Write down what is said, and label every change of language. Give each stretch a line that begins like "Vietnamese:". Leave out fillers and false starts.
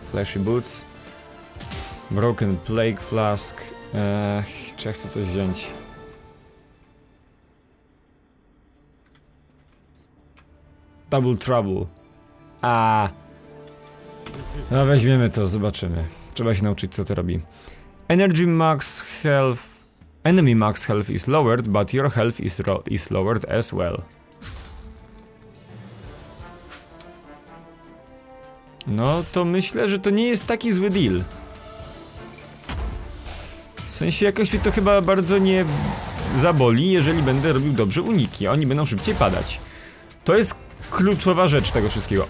Polish: Flashy Boots. Broken Plague Flask. Czy ja chcę coś wziąć?
English: Double Trouble.
Polish: No weźmiemy to, zobaczymy. Trzeba się nauczyć, co to robi.
English: Energy Max Health. Enemy max health is lowered, but your health is lowered as well.
Polish: No, to myślę, że to nie jest taki zły deal. W sensie, jakoś mi to chyba bardzo nie zaboli, jeżeli będę robił dobrze uniki. Oni będą szybciej padać. To jest kluczowa rzecz tego wszystkiego.